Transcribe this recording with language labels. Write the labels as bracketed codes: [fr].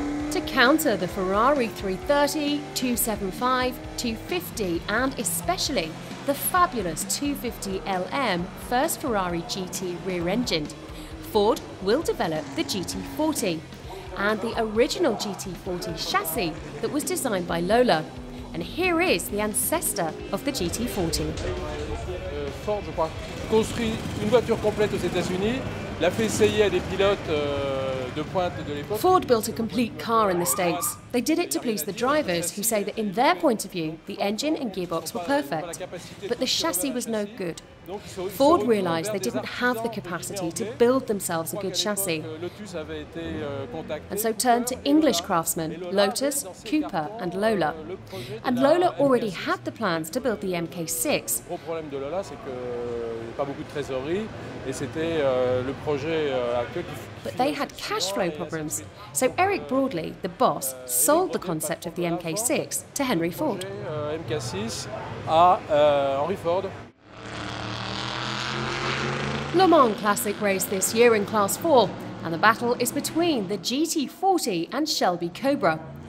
[en] to counter the Ferrari 330, 275, 250, and especially the fabulous 250 LM first Ferrari GT rear-engined, Ford will develop the GT40 and the original GT40 chassis that was designed by Lola. And here is the ancestor of the GT40. [fr] Ford, je crois, construit une voiture complète aux États-Unis, l'a fait essayer à des pilotes de pointe de l'époque. [en] Ford built a complete car in the States. They did it to please the drivers, who say that in their point of view, the engine and gearbox were perfect, but the chassis was no good. Ford realized they didn't have the capacity to build themselves a good chassis, and so turned to English craftsmen, Lotus, Cooper, and Lola. And Lola already had the plans to build the MK6. [fr] Le gros problème de Lola, c'est que il y a pas beaucoup de trésorerie, et c'était le projet actuel qui. [en] But they had cash flow problems, so Eric Broadley, the boss, sold the concept of the MK6 to Henry Ford. [fr] MK6 à Henry Ford. [en] Le Mans Classic race this year in Class 4, and the battle is between the GT40 and Shelby Cobra.